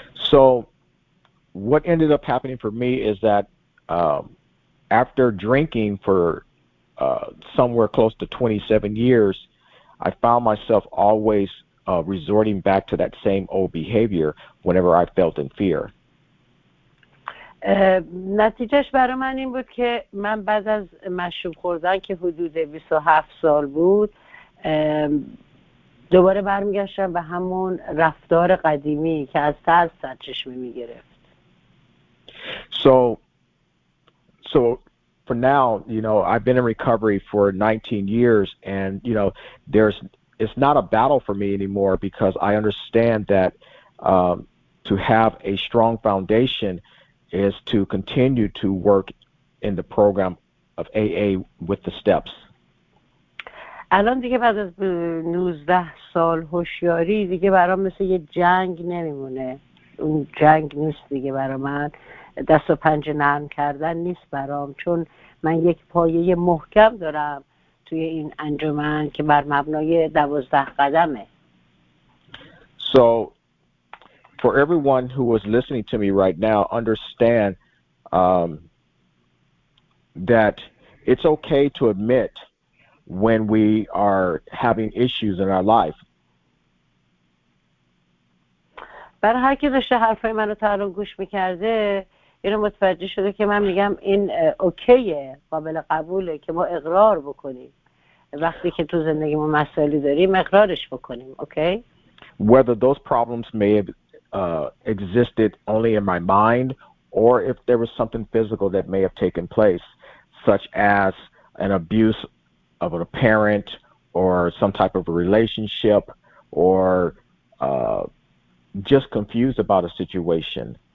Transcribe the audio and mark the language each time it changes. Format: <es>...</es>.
<en>So what ended up happening for me is that after drinking for somewhere close to 27 years, I found myself always resorting back to that same old behavior whenever I felt in fear.</en> <fa>نتیجهش برای من این بود که من بعد از مشروب خوردن که حدود 27 سال بود دوباره برمیگشتم به همون رفتار قدیمی که از ترس سرچشمه میگرفت.</fa> <en>So for now, you know, I've been in recovery for 19 years and, you know, it's not a battle for me anymore because I understand that to have a strong foundation is to continue to work in the program of AA with the steps.</en> <fa>الان دیگه بعد از 19 سال هوشیاری دیگه برام مثل یه جنگ نمیمونه. اون جنگ نیست دیگه برای من. دست و پنجه نرم کردن نیست برام چون من یک پایه محکم دارم توی این انجمن که بر مبنای 12 قدمه.</fa> <en>So for everyone who was listening to me right now, understand that it's okay to admit when we are having issues in our life.</en> <fa>برای هر کی داشته حرفای منو تا الان گوش می‌کرده، اینو متوجه شده که من میگم این اوکیه، قابل قبوله که ما اقرار بکنیم. وقتی که تو زندگیمون مسائلی داریم، اقرارش بکنیم، اوکی؟</fa> <en>Whether those problems may have existed only in my mind or if there was something physical that may have taken place, such as an abuse of a parent or some type of a relationship or just confused about a situation.</en>